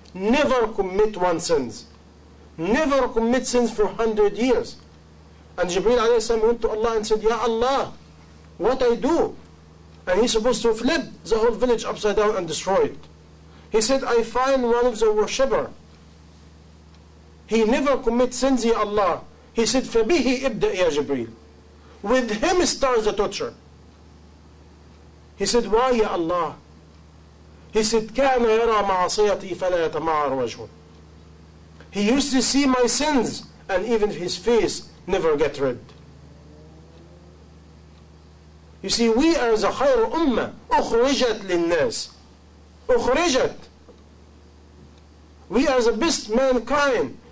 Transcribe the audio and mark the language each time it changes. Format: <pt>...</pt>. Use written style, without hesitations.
<en>Never commit one sins. Never commit sins for 100 years. And Jibreel alayhi salam went to Allah and said, Ya Allah, what I do? And he's supposed to flip the whole village upside down and destroy it. He said, I find one of the worshippers. He never commits sins, Ya Allah. He said,</en> <ar>فَبِهِ إِبْدَأْ يَا جِبْرِيلِ.</ar> <en>With him starts the torture. He said, why, Ya Allah? He said,</en> <ar>كَانَ يَرَى مَعَصِيَتِي فَلَا يَتَمَعَرْ وَجْهُ.</ar> <en>He used to see my sins, and even his face never get red. You see, we are the khayr ummah,</en> <ar>أُخْرِجَتْ لِلنَّاسِ. أُخْرِجَتْ.</ar> <en>We are the best mankind.</en>